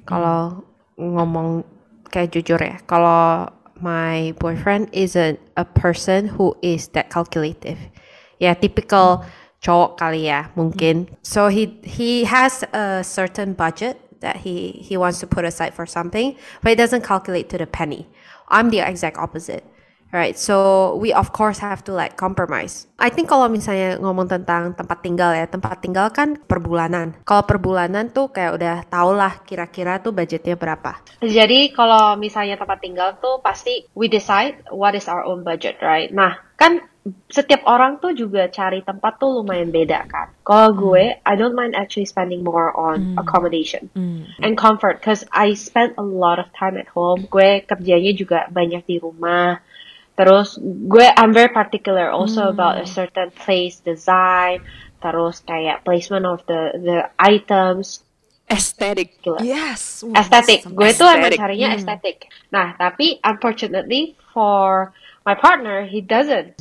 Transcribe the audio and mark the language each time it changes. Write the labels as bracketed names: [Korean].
[Indonesian] Kalau ngomong kayak jujur ya, kalau [English] my boyfriend isn't a person who is that calculative. Yeah, typical [Indonesian] cowok kali ya, mungkin. [English] So, he has a certain budget that he wants to put aside for something, but it doesn't calculate to the penny. I'm the exact opposite. Right, so we of course have to like compromise. I think [Indonesian] kalau misalnya ngomong tentang tempat tinggal ya, tempat tinggal kan perbulanan. Kalau perbulanan tuh kayak udah tau lah kira-kira tuh budgetnya berapa. Jadi kalau misalnya tempat tinggal tuh pasti [English] we decide what is our own budget, right? [Indonesian] Nah, kan setiap orang tuh juga cari tempat tuh lumayan beda kan. Kalau gue, [English] I don't mind actually spending more on accommodation and comfort, because I spend a lot of time at home. [Indonesian] Gue kerjanya juga banyak di rumah. Terus gue, [English] I'm very particular also about a certain place design, [Indonesian] terus kayak [English] placement of the items. Aesthetic. [Indonesian] Gila. [English] Yes. [Indonesian] Aesthetic. Gue aesthetic. Tuh emang carinya aesthetic. Nah, tapi [English] unfortunately for my partner, he doesn't.